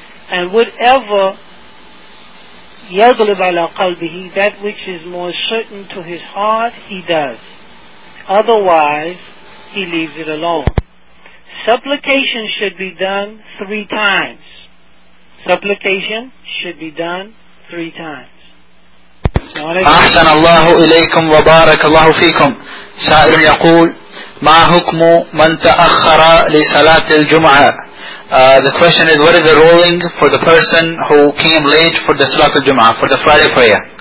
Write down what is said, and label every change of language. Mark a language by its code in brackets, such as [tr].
[en] And whatever yaghlib ala qalbihi, that which is more certain to his heart, he does. Otherwise, he leaves it alone. Supplication should be done three times. Supplication should be done three times. [ar] أحسن الله إليكم وبارك الله فيكم. سائل يقول, ما حكم من تأخر لصلاة الجمعة؟ [en] The question is, what is the ruling for the person who came late for the Salat al-Jum'ah, for the Friday prayer?